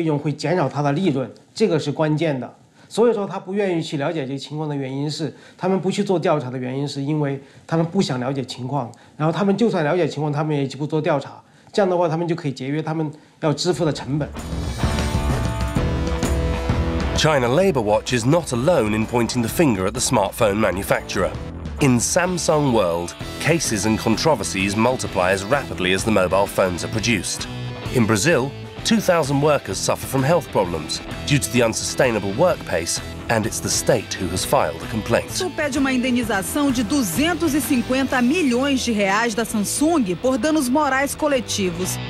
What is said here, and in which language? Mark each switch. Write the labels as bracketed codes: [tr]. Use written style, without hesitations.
[zh] 所有的公司都可以去做，但是问题他们不做，他们不愿意去做这个问题。实际上，我相信他们做比我们更专业，可能更好，更有更多的这个，不管是人力还有资源方面，都比我们更充分的。他如果说了解到这个结果，他就要付出改善的成本，就是费用，就要他要投入很多的资源去做改善，这样的话会增加他的费用，会减少他的利润，这个是关键的。所以说他不愿意去了解这些情况的原因是，他们不去做调查的原因是因为他们不想了解情况，然后他们就算了解情况，他们也不做调查，这样的话他们就可以节约他们要支付的成本。China [en] Labor Watch is not alone in pointing the finger at the smartphone manufacturer. In Samsung world, cases and controversies multiply as rapidly as the mobile phones are produced. In Brazil, 2,000 workers suffer from health problems due to the unsustainable work pace, and it's the state who has filed a complaint. [pt] Samsung pede uma indenização de 250 milhões de reais da Samsung por danos morais coletivos.